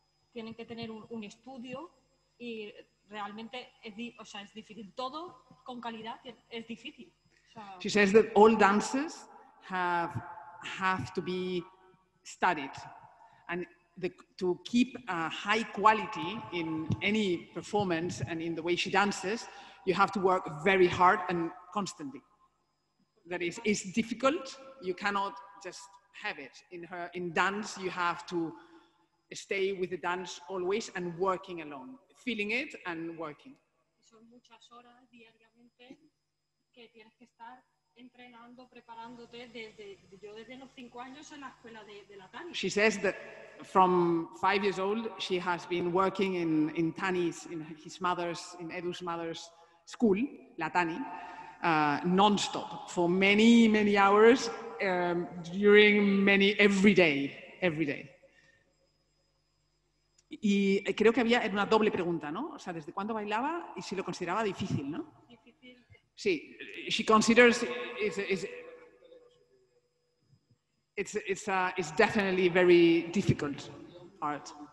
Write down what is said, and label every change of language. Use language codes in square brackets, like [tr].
[es] Tienen que tener un estudio y realmente es difícil. Todo con calidad es difícil. [en] She says that all dances have to be studied. And to keep a high quality in any performance and in the way she dances, you have to work very hard and constantly. That is, it's difficult. You cannot just have it. In dance, you have to stay with the dance always and working alone, feeling it and working. [es] Son muchas horas diariamente que tienes que estar entrenando, preparándote desde los 5 años en la escuela de la tani. [en] She says that from 5 years old she has been working in tani's, in Edu's mother's school, la tani, non-stop for many, many hours, during many, every day. [es] Y creo que había una doble pregunta, ¿no? O sea, ¿desde cuándo bailaba y si lo consideraba difícil, ¿no? Difícil. [en] Sí, she considers it's definitely very difficult art.